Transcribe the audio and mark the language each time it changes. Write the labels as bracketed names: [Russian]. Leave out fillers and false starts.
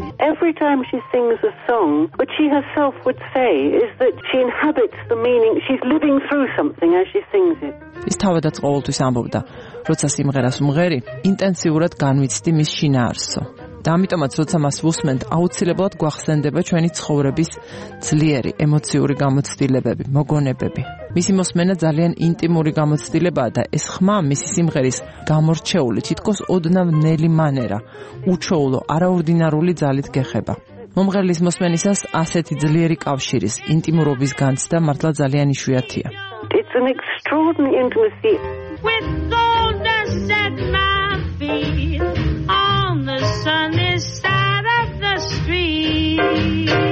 [English] Every time she sings a song, what she herself would say is that she inhabits the meaning, she's living through something as she sings it. [Georgian] ის თავადაც ყოველთვის ამბობდა, როცა სიმღერას მღერი, ინტენსიურად განვიცდი მის შინაარსო. და ამიტომაც, როცა მას ვუსმენთ, აუცილებლად გვახსენდება ჩვენი ცხოვრების ძლიერი ემოციური გამოცდილებები, მოგონებები. მისი მოსმენა ძალიან ინტიმური გამოცდილებაა და ეს ხმა მისი სიმღერის გამორჩეული, თითქოს ოდნავ ნელი მანერა, უჩვეულო, არაორდინარული ძალით გეხება. მომღერლის მოსმენისას ასეთი ძლიერი კავშირის, ინტიმურობის განცდა მართლა ძალიან იშვიათია. [English] It's an extraordinary intimacy with gold set my feet on the sunny side of the street.